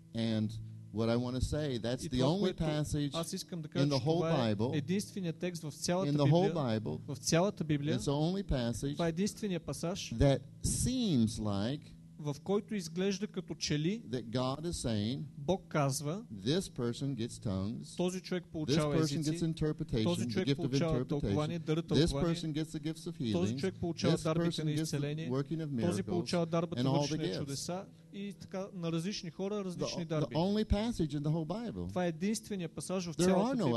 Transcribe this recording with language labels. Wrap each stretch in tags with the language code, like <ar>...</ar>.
<en>And what I want to say, that's the only passage in the whole Bible,</en> <bg>единственият текст в цялата Библия,</bg> <en>in the whole Bible,</en> <bg>в цялата Библия,</bg> <en>it's the only passage,</en> <bg>това е единственият пасаж,</bg> <en>that seems like,</en> <bg>в който изглежда като чели,</bg> <en>that God is saying,</en> <bg>Бог казва,</bg> <en>this person gets tongues,</en> <bg>този човек получава езици,</bg> <en>this person</en> <bg>езици,</bg> <en>gets interpretation, this person gets the gifts of healing,</en> <bg>този човек получава дарбите на изцеление,</bg> <en>working of miracles,</en> <bg>този получава дарбата на чудеса и така на различни хора различни дарби.</bg> <en>The only passage in the whole Bible.</en> <bg>Това е единственият пасаж в цялата Библия.</bg>